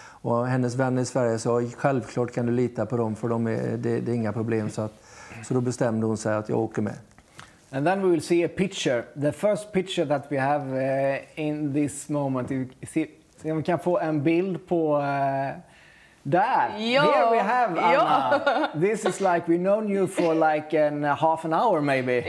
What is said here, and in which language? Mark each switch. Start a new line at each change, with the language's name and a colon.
Swedish: Och hennes vänner i Sverige sa, självklart kan du lita på dem, för de är, det är inga problem. Så då bestämde hon sig att jag åker med.
English: And then we will see a picture. The first picture that we have in this moment.
Swedish: Om vi kan få en bild på där. Jo.
English: Here we have Anna.
Swedish: Jo.
English: This is like we known you for like an half an hour maybe.